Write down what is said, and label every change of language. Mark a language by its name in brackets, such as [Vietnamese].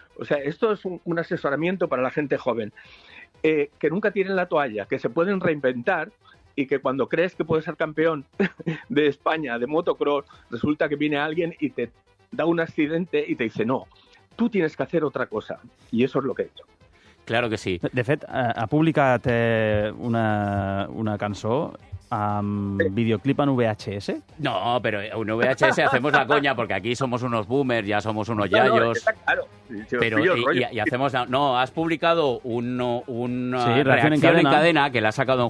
[Spanish] O sea, esto es un asesoramiento para la gente joven. Que nunca tiren la toalla, que se pueden reinventar y que cuando crees que puedes ser campeón de España de motocross, resulta que viene alguien y te da un accidente y te dice no, tú tienes que hacer otra cosa. Y eso es lo que he hecho. Claro que sí. [Catalan] De fet, ha publicat una cançó amb videoclip en VHS. [Spanish] No, pero en VHS hacemos la coña porque aquí somos unos boomers, ya somos unos yayos. No, está claro. Pero y hacemos has publicado una sí, reacción en cadena que la ha sacado en